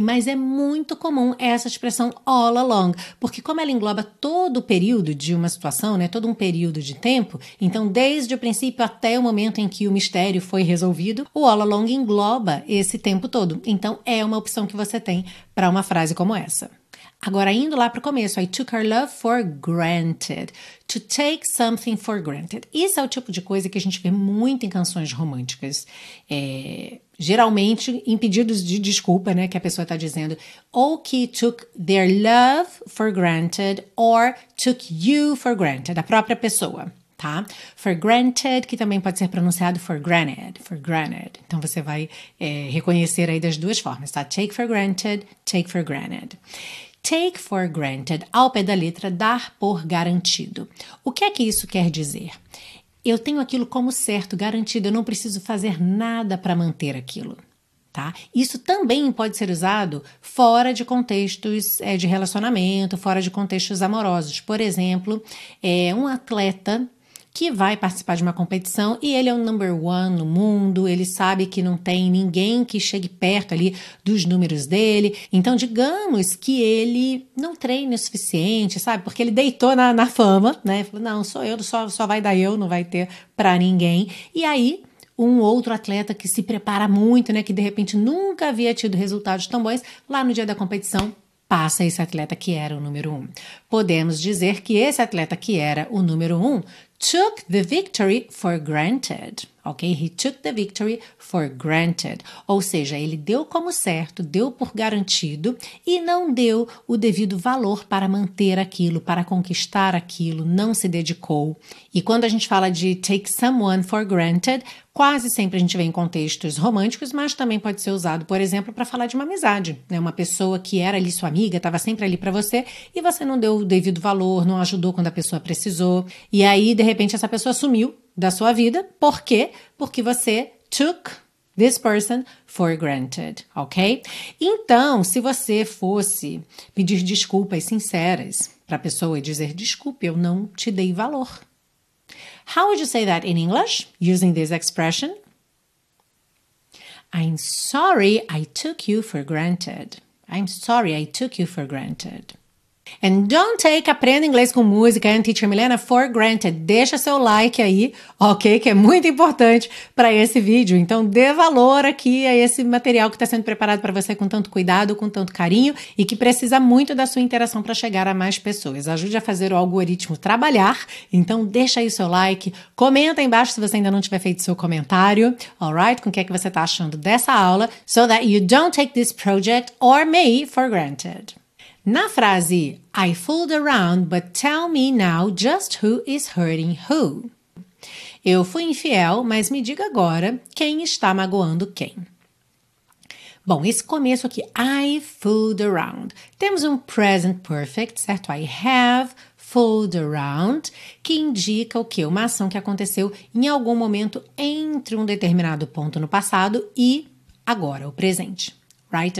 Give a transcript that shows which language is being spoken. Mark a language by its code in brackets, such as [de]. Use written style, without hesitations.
[pt] Mas é muito comum essa expressão all along, porque como ela engloba todo o período de uma situação, né, todo um período de tempo, então desde o princípio até o momento em que o mistério foi resolvido, o all along engloba esse tempo todo. Então é uma opção que você tem para uma frase como essa. Agora, indo lá para o começo, [en] I took our love for granted. To take something for granted. [pt] Isso é o tipo de coisa que a gente vê muito em canções românticas. Geralmente, em pedidos de desculpa, né, que a pessoa está dizendo, ou que [en] took their love for granted, [pt] or took you for granted, a própria pessoa, tá? For granted, que também pode ser pronunciado for granted, for granted. Então, você vai reconhecer aí das duas formas, tá? [en] Take for granted, take for granted. [pt] Take for granted, ao pé da letra, dar por garantido. O que é que isso quer dizer? Eu tenho aquilo como certo, garantido, eu não preciso fazer nada para manter aquilo, tá? Isso também pode ser usado fora de contextos de relacionamento, fora de contextos amorosos. Por exemplo, um atleta que vai participar de uma competição e ele é o number one no mundo, ele sabe que não tem ninguém que chegue perto ali dos números dele. Então, digamos que ele não treine o suficiente, sabe? Porque ele deitou na fama, né? Falou, não, sou eu, só vai dar eu, não vai ter pra ninguém. E aí, um outro atleta que se prepara muito, né? Que, de repente, nunca havia tido resultados tão bons, lá no dia da competição, passa esse atleta que era o número um. Podemos dizer que esse atleta que era o número um [en] took the victory for granted, [pt] ok? [en] He took the victory for granted. [pt] Ou seja, ele deu como certo, deu por garantido e não deu o devido valor para manter aquilo, para conquistar aquilo, não se dedicou. E quando a gente fala de [en] take someone for granted, [pt] quase sempre a gente vê em contextos românticos, mas também pode ser usado, por exemplo, para falar de uma amizade, né? Uma pessoa que era ali sua amiga, estava sempre ali para você e você não deu o devido valor, não ajudou quando a pessoa precisou. E aí, de repente, essa pessoa sumiu da sua vida. Por quê? Porque você [en] took this person for granted, [pt] ok? Então, se você fosse pedir desculpas sinceras para a pessoa e dizer, desculpe, eu não te dei valor. [en] How would you say that in English, using this expression? I'm sorry I took you for granted. I'm sorry I took you for granted. And don't take Aprenda Inglês com Música and Teacher Milena for granted. [pt] Deixa seu like aí, ok? Que é muito importante para esse vídeo. Então, dê valor aqui a esse material que está sendo preparado para você com tanto cuidado, com tanto carinho e que precisa muito da sua interação para chegar a mais pessoas. Ajude a fazer o algoritmo trabalhar. Então, deixa aí seu like. Comenta aí embaixo se você ainda não tiver feito seu comentário. Alright? Com o que é que você está achando dessa aula? [en] So that you don't take this project or me for granted. [pt] Na frase, [en] I fooled around, but tell me now just who is hurting who. [pt] Eu fui infiel, mas me diga agora quem está magoando quem. Bom, esse começo aqui, [en] I fooled around. [pt] Temos um present perfect, certo? [en] I have fooled around, [pt] que indica o quê? Uma ação que aconteceu em algum momento entre um determinado ponto no passado e agora, o presente. Right?